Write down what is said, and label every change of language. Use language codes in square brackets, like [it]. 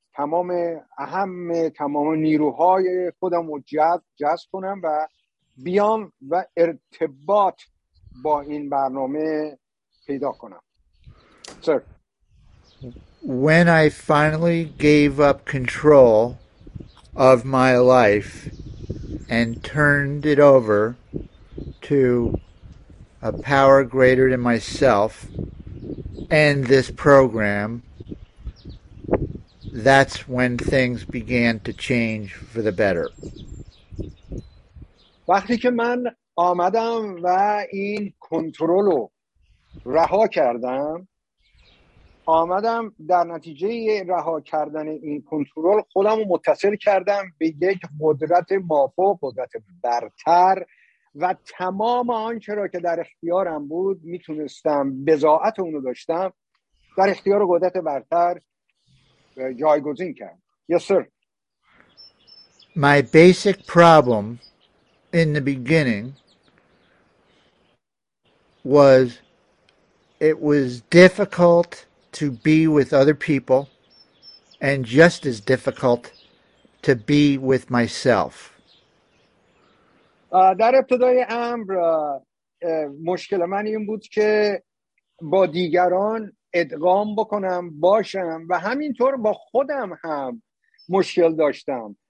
[fa] تمام اهم تمام نیروهای خودم رو جذب کنم و بیام و ارتباط با این برنامه پیدا کنم. [en] Sir. When I finally gave up control of my life and turned it over to a power greater than myself and this program, that's when things began to change for the better. [fa] وقتی که من آمدم و این کنترل رو رها کردم، آمدم در نتیجه رها کردن این کنترل خودم رو متصل کردم به یک قدرت مافوق، قدرت برتر، و تمام آنچه را که در اختیارم بود میتونستم بضاعت اونو داشتم در اختیار قدرت برتر جایگزین کرد. [en] Yes, sir. My basic problem in the beginning was it was difficult to be with other people and just as difficult to be with myself. [fa] در ابتدای امر مشکل من این بود که با دیگران ادغام بکنم، باشم، و همینطور با خودم هم مشکل داشتم.